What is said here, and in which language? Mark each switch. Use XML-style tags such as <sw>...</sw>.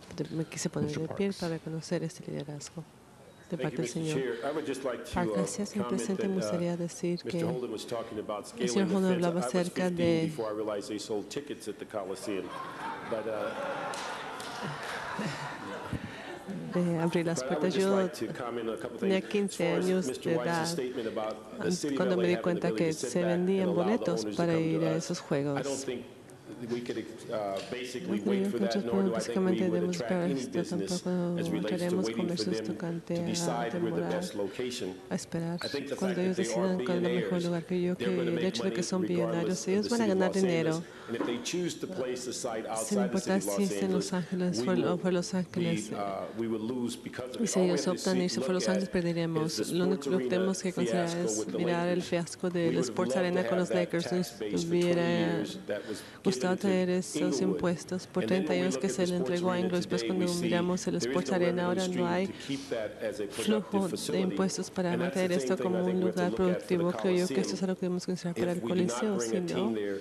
<es>Me quise poner de pie para reconocer este liderazgo.</es> <en>Thank you, Mr. Chair. I would just like to comment that Mr. Holden was talking about scaling the fence. I was 15 before I realized they sold tickets at the Coliseum. But,</en> <es>abrir las puertas. Yo tenía 15 años de edad cuando me di cuenta que se vendían boletos para ir a esos juegos.</es> <en>We could basically wait for that, nor do I think we would attract any business as relates to waiting for them to decide where the best location. I think the fact that they are billionaires, they're going to make money regardless of the city of Los Angeles. And if they choose to place the site outside the city of Los Angeles, we will lose because of it. All we have to see, look at, is the sports arena fiasco with the Lakers. We would love to have that tax base for 20 years that was given.</en> <es>Gustaba traer esos impuestos por 30 años que se le entregó a Inglés. Después, cuando miramos el Sports Arena, ahora no hay flujo de impuestos para mantener esto como un lugar productivo. Creo yo que esto es algo que debemos considerar para el Coliseo, si no.</es>